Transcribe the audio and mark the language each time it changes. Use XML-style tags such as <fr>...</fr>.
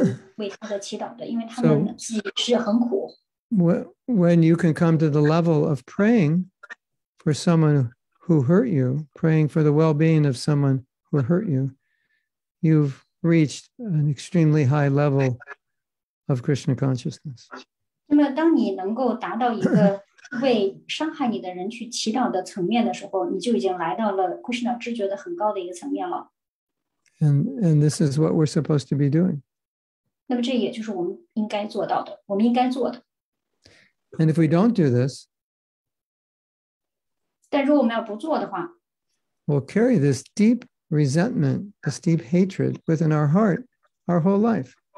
<zh>这个伤害我们的这个人，其实他是需要我们为他的祈祷的，因为他们自己是很苦。</zh> <en>When you can come to the level of praying for someone who hurt you, praying for the well-being of someone who hurt you, you've reached an extremely high level of Krishna consciousness.</en> <zh>那么当你能够达到一个 为伤害你的人去祈祷的层面的时候，你就已经来到了Krishna知觉的很高的一个层面了。</zh> <en>And this is what we're supposed to be doing.</en> <zh>那么这也就是我们应该做到的，我们应该做的。</zh> <en>And if we don't do this,</en> <zh>但如果我们要不做的话,</zh> <en>we'll carry this deep resentment, this deep hatred within our heart, our whole life.</en>